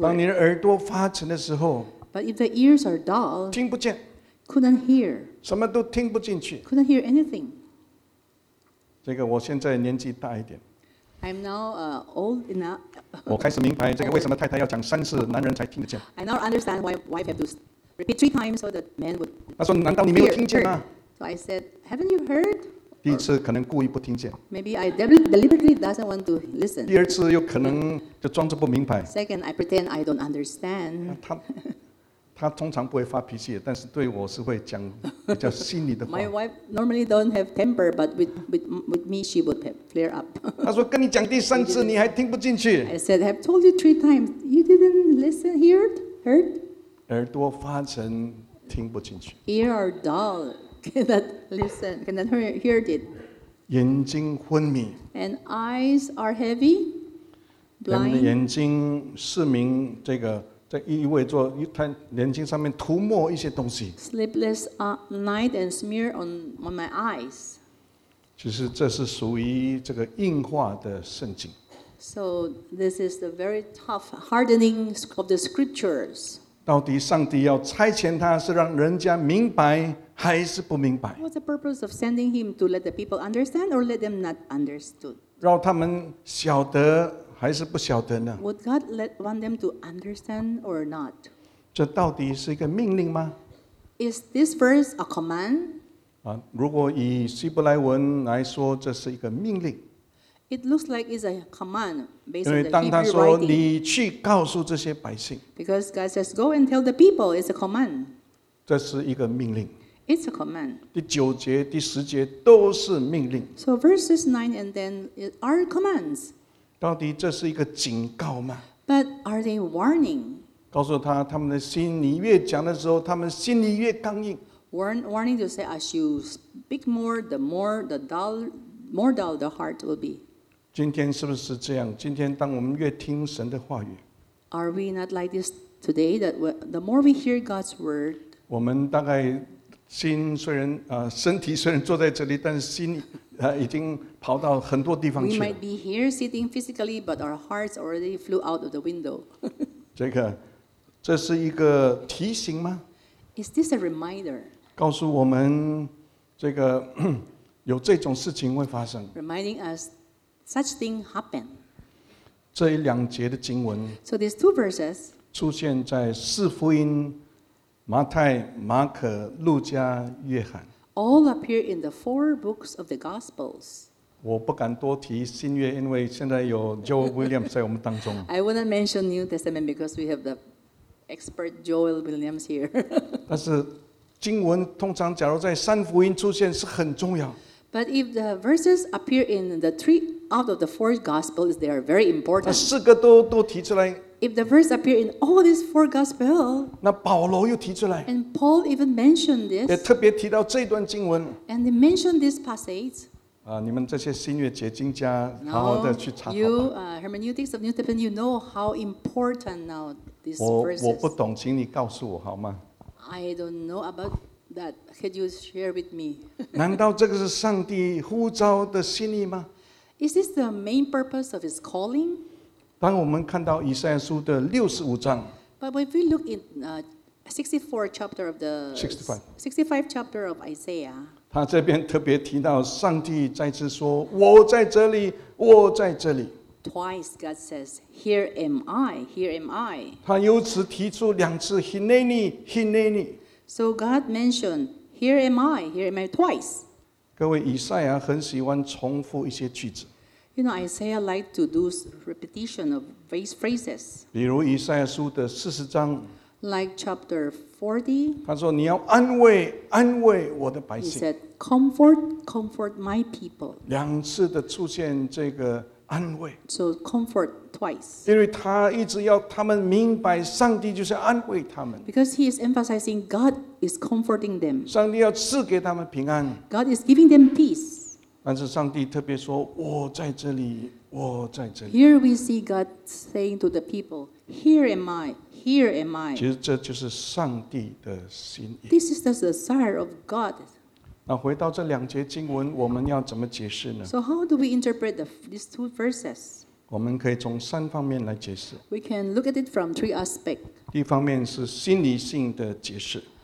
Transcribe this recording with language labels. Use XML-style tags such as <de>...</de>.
<zh>当你的耳朵发沉的时候</zh> <en>，But if the ears are dull,</en> <zh>听不见</zh> <en>couldn't hear.</en> <zh>什么都听不进去。</zh> <en>Couldn't hear anything.</en> <zh>这个我现在年纪大一点。</zh> <en>I'm now old enough.</en> <zh>我开始明白这个为什么太太要讲三次，男人才听得见。</zh> <en>I now understand why wife have to repeat three times so that men would.</en> <zh>他说：“难道你没有听见吗？”</zh> <en>So I said, "Haven't you heard?"</en> <zh>第一次可能故意不听见。</zh> <en>Maybe I deliberately doesn't want to listen.</en> <zh>第二次又可能就装着不明白。</zh> <en>Second, I pretend I don't understand.</en> <zh>他通常不会发脾气，但是对我是会讲比较心里的话。</zh> <en>My wife normally don't have temper, but with me she would flare up.</en> <zh>他说跟你讲第三次你还听不进去。</zh> <en>I said I've told you three times, you didn't listen, heard?</en> <zh>耳朵发沉，听不进去。</zh> <en>Ear are dull, cannot listen, cannot hear it.</en> <zh>眼睛昏迷。</zh> <en>And eyes are heavy, blind.</en> <zh>人的眼睛失明，这个。在意味着他眼睛上面涂抹一些东西。</zh> <en>Sleepless night and smear on my eyes.</en> <zh>其实这是属于这个硬化的圣经。</zh> <en>So this is the very tough hardening of the scriptures.</en> <zh>到底上帝要差遣他是让人家明白还是不明白</zh> <en>？What's the purpose of sending him to let the people understand or let them not understood?</en> <zh>让他们晓得。还是不晓得呢。</zh> <en>Would God want them to understand or not?</en> <zh>这到底是一个命令吗</zh> <en>？Is this verse a command?</en> <zh>啊，如果以希伯来文来说，这是一个命令。</zh> <en>It looks like it's a command based on the Hebrew writing.</en> <zh>因为当他说你去告诉这些百姓</zh> <en>，Because God says go and tell the people, it's a command.</en> <zh>这是一个命令。</zh> <en>It's a command.</en> <zh>第九节、第十节都是命令。</zh> <en>So verses 9 and 10 are commands.</en> <zh>到底这是一个警告吗</zh> <en>？But are they warning？</en> <zh>告诉他，他们的心，你越讲的时候，他们心里越刚硬。</zh> <en>Warning to say, as you speak more, the more dull the heart will be.</en> <zh>今天是不是这样？今天当我们越听神的话语</zh> <en>，Are we not like this today? That the more we hear God's word，</en> <zh>我们大概心虽然身体虽然坐在这里，但是心。已经跑到很多地方去了。</zh> <en>We might be here sitting physically, but our hearts already flew out of the window.</en> <zh>这个，这是一个提醒吗</zh> <en>？Is this a reminder?</en> <zh>告诉我们，这个有这种事情会发生。</zh> <en>Reminding us such thing happen.</en> <zh>这一两节的经文。</zh> <en>So these two verses</en> <zh>出现在四福音：马太、马可、路加、约翰。</zh> <en>All appear in the four books of the Gospels.</en> <zh>我不敢多提新约，因为现在有 Joel Williams 在我们当中。</zh> <en>I wouldn't mention New Testament because we have the expert Joel Williams here.</en> <zh>但是经文通常假如在三福音出现是很重要。</zh> <en>But if the verses appear in the three out of the four Gospels, they are very important.</en> <zh>四个都提出来。</zh> <en>If the verse appear in all these four gospels,</en> <zh>那保罗又提出来</zh> <en>，and Paul even mentioned this，</en> <zh>也特别提到这段经文</zh> <en>，and they mentioned this passage。</en> <zh>啊，你们这些新约解经家，好好的去查考吧。</zh> <en>You hermeneutics of New Testament, you know how important now this verse is.</en> <zh>我不懂，请你告诉我好吗</zh> <en>？I don't know about that. Could you share with me?</en> <zh>难道这个是上帝呼召的心意吗</zh> <en>？Is this the main purpose of his calling?</en> <zh>当我们看到以赛亚书的65章</zh> <en>，But if we look in 65 chapter of Isaiah，</en> <zh>他这边特别提到上帝再次说：“我在这里，我在这里。”</zh> <en>Twice God says, "Here am I, here am I."</en> <zh>他由此提出两次</zh> <he>“Hineni, Hineni”。</he> <en>So God mentioned, "Here am I, here am I," twice.</en> <zh>各位，以赛亚很喜欢重复一些句子。</zh> <en>You know, Isaiah liked to do repetition of phrases.</en> <zh>比如以赛亚书的40章</zh> <en>Like chapter 40.</en> <zh>他说：“你要安慰，安慰我的百姓。”</zh> <en>He said, "Comfort, comfort my people."</en> <zh>两次的出现这个安慰。</zh> <en>So comfort twice.</en> <zh>因为他一直要他们明白，上帝就是安慰他们。</zh> <en>Because he is emphasizing God is comforting them.</en> <zh>上帝要赐给他们平安。</zh> <en>God is giving them peace.</en> <zh>但是上帝特别说：“我在这里，我在这里。”</zh> <en>Here we see God saying to the people, "Here am I, here am I."</en> <zh>其实这就是上帝的心意。</zh> <en>This is the desire of God.</en> <zh>那回到这两节经文，我们要怎么解释呢</zh> <en>？So how do we interpret these two verses?</en> <zh>我们可以从三方面来解释。</zh> <en>We can look at it from three aspects.</en> <zh>第一方面是心理性的解释。</zh>